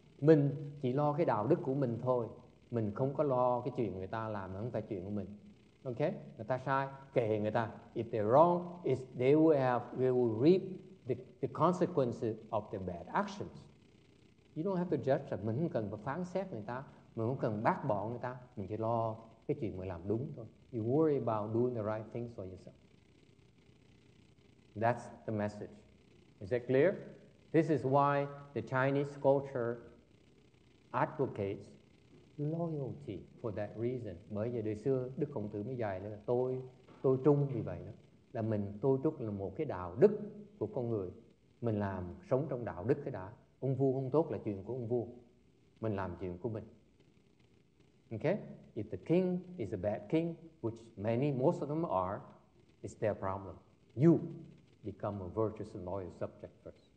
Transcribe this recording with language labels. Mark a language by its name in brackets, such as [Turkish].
[Vietnamese] Mình chỉ lo cái đạo đức của mình thôi. Mình không có lo cái chuyện người ta làm, không phải chuyện của mình. Okay? Người ta sai, kệ người ta. [English] If they're wrong, they will reap the consequences of their bad actions. You don't have to judge them. Mình không cần phải phán xét người ta. Mình không cần bác bỏ người ta. Mình chỉ lo cái chuyện mình làm đúng thôi. You worry about doing the right things for yourself. That's the message. Is that clear? This is why the Chinese culture advocates loyalty for that reason. [Vietnamese] Bởi vì đời xưa Đức Khổng Tử mới dạy là tôi trung vì vậy đó. Là mình tôi trúc là một cái đạo đức của con người. Mình làm sống trong đạo đức cái đã. Ông vua không tốt là chuyện của ông vua. Mình làm chuyện của mình. [English] Okay? If the king is a bad king, which most of them are, it's their problem. You become a virtuous and loyal subject first.